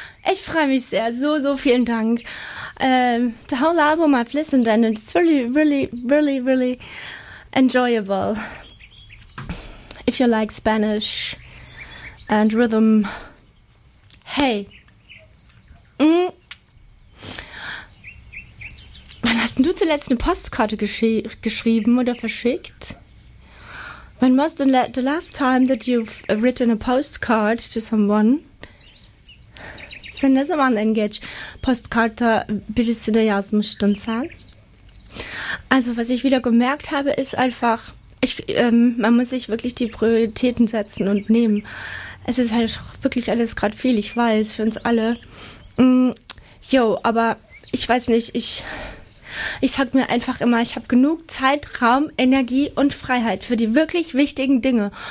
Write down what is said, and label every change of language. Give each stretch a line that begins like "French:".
German: Ich freue mich sehr, so, so vielen Dank.
English: The whole album I've listened to, and it's really, really, really, really enjoyable. If you like Spanish and rhythm. Hey!
German: Wann hast denn du zuletzt eine Postkarte geschrieben oder verschickt?
English: When was the last time that you've written a postcard to someone? Send us a one engage
German: postkarte bis zu der Jasmin Stunzahl. Also, was ich wieder gemerkt habe, ist einfach, Man muss sich wirklich die Prioritäten setzen und nehmen. Es ist halt wirklich alles gerade viel, ich weiß, für uns alle. Jo, aber ich weiß nicht, ich sag mir einfach immer, ich habe genug Zeit, Raum, Energie und Freiheit für die wirklich wichtigen Dinge.